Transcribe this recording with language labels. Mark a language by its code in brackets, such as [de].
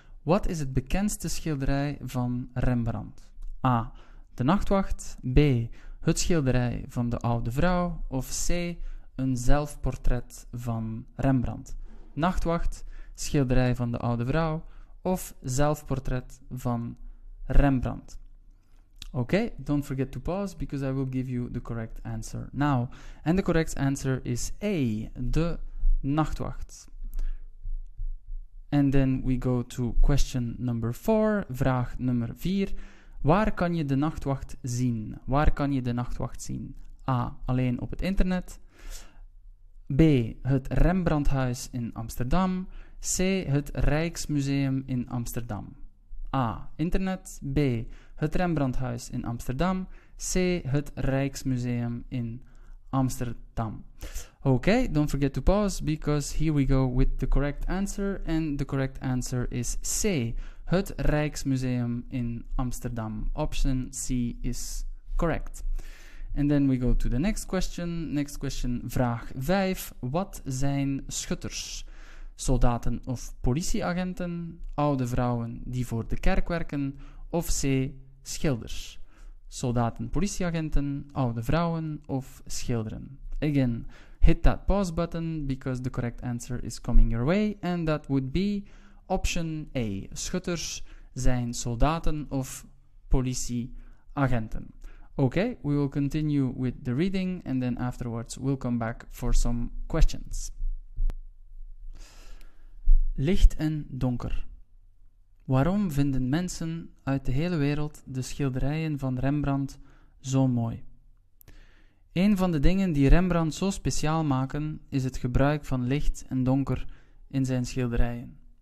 [nl] Wat is het bekendste schilderij van Rembrandt? A. De Nachtwacht. B. Het schilderij van de oude vrouw. Of C. Een zelfportret van Rembrandt. Nachtwacht, schilderij van de oude vrouw of zelfportret van Rembrandt. [en] Okay, don't forget to pause, because I will give you the correct answer now. And the correct answer is A, De Nachtwacht. And then we go to question number 4, [nl] vraag nummer 4. Waar kan je de Nachtwacht zien? Waar kan je de Nachtwacht zien? A, alleen op het internet. B, het Rembrandthuis in Amsterdam. C, het Rijksmuseum in Amsterdam. A, internet. B, het Rembrandthuis in Amsterdam. C, het Rijksmuseum in Amsterdam. [en] Okay, don't forget to pause, because here we go with the correct answer. And the correct answer is C, het Rijksmuseum in Amsterdam. Option C is correct. And then we go to the next question. Next question, [nl] vraag 5. Wat zijn schutters? Soldaten of politieagenten, oude vrouwen die voor de kerk werken, of C, schilders. Soldaten, politieagenten, oude vrouwen of schilderen. [en] Again, hit that pause button, because the correct answer is coming your way, and that would be option A. [nl] Schutters zijn soldaten of politieagenten. [en] Okay, we will continue with the reading, and then afterwards we'll come back for some questions. [nl] Licht en donker. Waarom vinden mensen uit de hele wereld de schilderijen van Rembrandt zo mooi? Een van de dingen die Rembrandt zo speciaal maken, is het gebruik van licht en donker in zijn schilderijen.